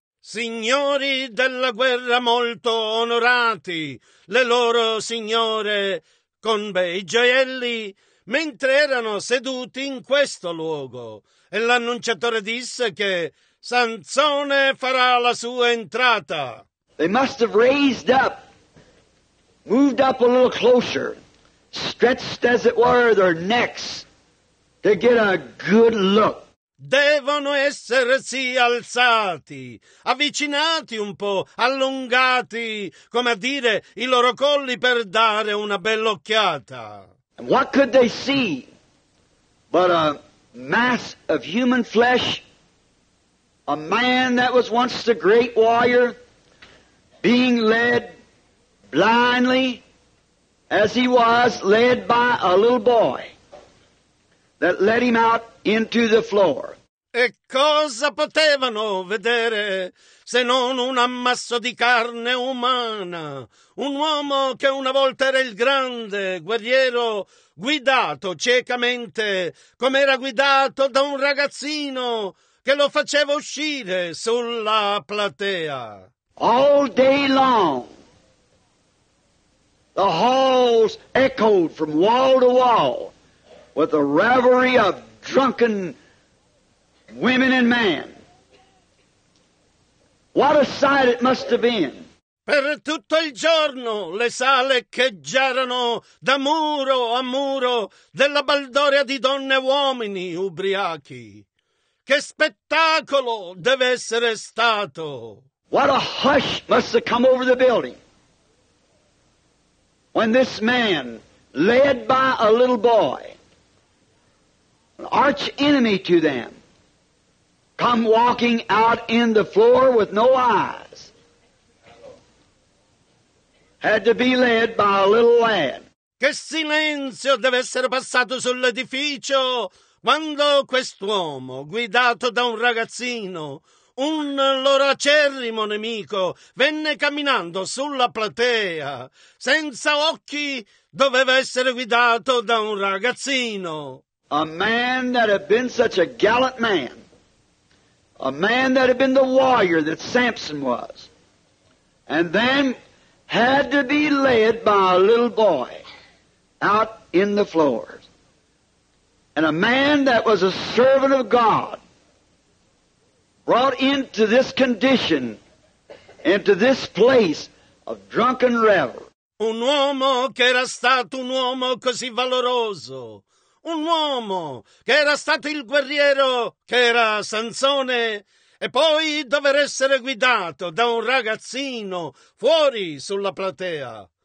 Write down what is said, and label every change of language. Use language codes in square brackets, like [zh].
[it] Signori della guerra molto onorati, le loro signore con bei gioielli, mentre erano seduti in questo luogo. E l'annunciatore disse che Sansone farà la sua entrata. [en] They must have raised up, moved up a little closer, stretched as it were their necks to get a good look. [it] Devono essersi alzati, avvicinati un po', allungati, come a dire, i loro colli per dare una bella occhiata. [en] And what could they see but a mass of human flesh, a man that was once the great warrior, being led blindly, as he was led by a little boy that led him out into the floor. [it] E cosa potevano vedere se non un ammasso di carne umana? Un uomo che una volta era il grande guerriero, guidato ciecamente, come era guidato da un ragazzino che lo faceva uscire sulla platea. [en] All day long, the halls echoed from wall to wall with the revelry of drunken women and men. What a sight it must have been. [it] Per tutto il giorno le sale echeggiarono da muro a muro della baldoria di donne e uomini ubriachi. Che spettacolo deve essere stato! [en] What a hush must have come over the building when this man, led by a little boy, an arch enemy to them, come walking out in the floor with no eyes, had to be led by a little lad. [it] Che silenzio deve essere passato sull'edificio quando quest'uomo, guidato da un ragazzino, un loro acerrimo nemico, venne camminando sulla platea, senza occhi, doveva essere guidato da un ragazzino. [en] A man that had been such a gallant man, a man that had been the warrior that Samson was, and then had to be led by a little boy out in the floors. And a man that was a servant of God, brought into this condition, into this place of drunken revel. [it] Un uomo che era stato un uomo così valoroso, un uomo che era stato il guerriero, che era Sansone, e poi dover essere guidato da un ragazzino fuori sulla platea.